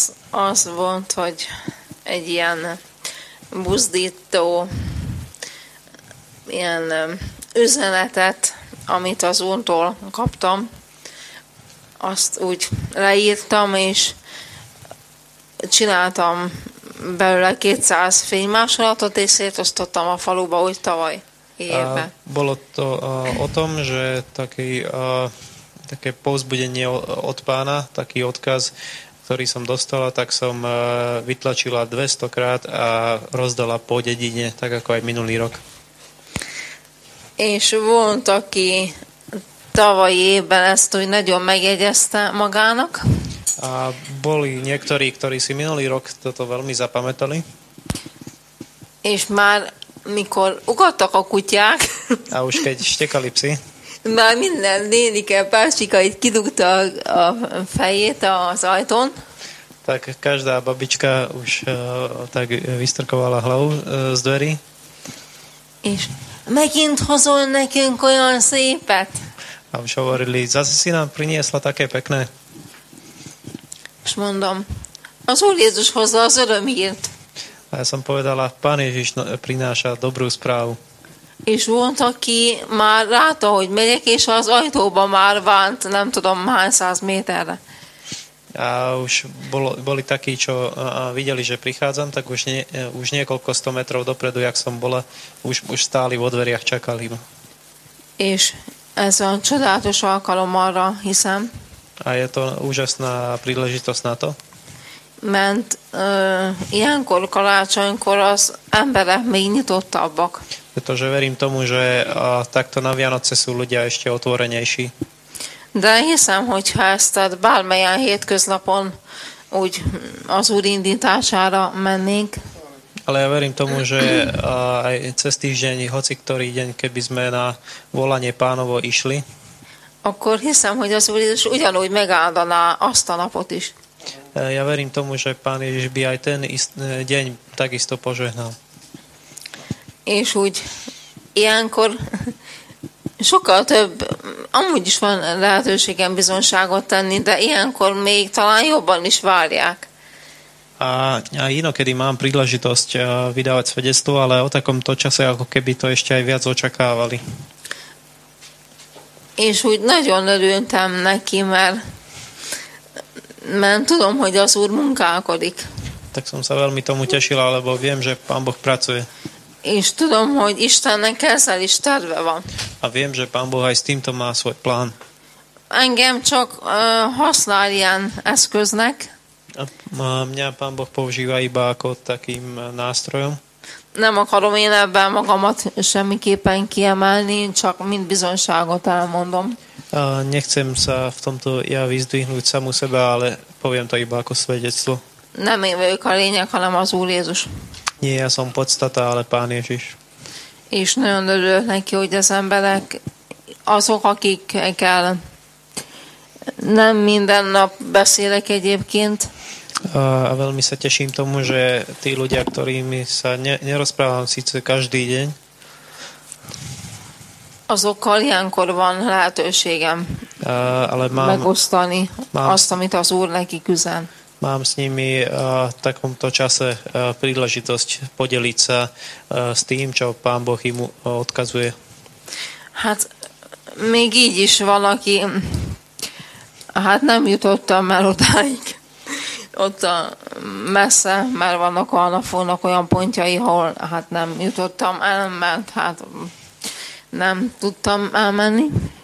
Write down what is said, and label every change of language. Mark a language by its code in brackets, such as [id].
[hu] Az volt, hogy egy ilyen buzdító ilyen üzenetet, amit az úrtól kaptam, azt úgy leírtam, és csináltam belőle 200 fénymásolatot, és szétosztottam a faluba úgy tavaly évben. [sk] Bolo to o tom, že také povzbudenie od pána, taký odkaz, ktorý som dostala, tak som vytlačila 200 krát a rozdala po dedine, tak ako aj minulý rok. [hu] És volt, aki tavaly évben ezt úgy nagyon megjegyezte magának. [sk] A boli niektorí, ktorí si minulý rok toto veľmi zapamätali. [hu] És már mikor ugattak a kutyák. [sk] A už keď štekali psi. [hu] Már minden nénike pásika itt kidugta a fejét az ajtón. [sk] Tak každá babička už tak vystrkovala hlavu z dverí. [hu] És megint hozol nekünk olyan szépet. [sk] A už hovorili, zase si nám priniesla také pekné. [hu] És mondom, az Úr Jézus hozza az örömhírt. [sk] A ja som povedala, Pán Ježiš prináša dobrú správu. [hu] És volt, aki már látta, hogy megyek, és az ajtóban már vánt, nem tudom, hány száz méterre. [sk] A už boli takí, čo videli, že prichádzam, tak už niekoľko 100 metrov dopredu, jak som bola, už stáli vo dveriach, čakali ma. [hu] És ez a csodálatos alkalom arra, hiszem. [sk] A je to úžasná príležitosť na to? [hu] Mert ilyenkor, karácsonykor az emberek még nyitottabbak. [sk] Pretože verím tomu, že takto na Vianoce sú ľudia ešte otvorenejší. [hu] De hiszem, hogyha ezt bármelyen hétköznapon úgy az Úr indítására mennénk. [sk] Ale ja verím tomu, že aj cez týždeň, hoci ktorý deň, keby sme na volanie Pánovo išli, [hu] akkor hiszem, hogy az Úr Jézus ugyanúgy megáldaná azt a napot is. [sk] Ja verím tomu, že Pán Ježiš by aj ten deň takisto požehnal. [hu] És úgy ilyenkor sokkal több, amúgy is van lehetőségem bizonságot tenni, de ilyenkor még talán jobban is várják. [sk] A inokedy mám príležitosť vydávať svedectvo, ale o takomto čase, ako keby to ešte aj viac očakávali. [hu] És úgy nagyon örültem neki, mert tudom, hogy az Úr munkálkodik. [sk] Tak som sa veľmi tomu tešil, lebo viem, že Pán Boh pracuje. [hu] És tudom, hogy Istennek ezzel is terve van. [sk] A viem, že Pán Boh aj s týmto má svoj plán. [hu] Engem csak használ ilyen eszköznek. [sk] A mňa Pán Boh používa iba ako takým nástrojom. [hu] Nem akarom én ebben magamat semmiképpen kiemelni, csak mind bizonyságot elmondom. [sk] Nechcem sa v tomto ja vyzdvihnúť samu sebe, ale poviem to iba ako svedectvo. [hu] Nem én vagyok a lényeg, hanem az Úr Jézus. [sk] Nie, ja som podstata, ale Pán Ježiš. [hu] És nagyon örülök neki, hogy az emberek, azok, akikkel nem minden nap beszélek egyébként. [sk] A veľmi sa teším tomu, že tí ľudia, ktorými sa nerozprávam síce každý deň, [hu] azokkal ilyenkor van lehetőségem megosztani azt, amit az Úr neki üzen. [sk] Mám s nimi v takomto čase príležitosť podeliť sa s tým, čo Pán Boh im odkazuje. [hu] Hát, még így is van, aki hát nem jutottam el odáig. Ott messze, mert vannak a napfónak olyan pontjai, ahol hát nem jutottam el, mert hát nem tudtam elmenni.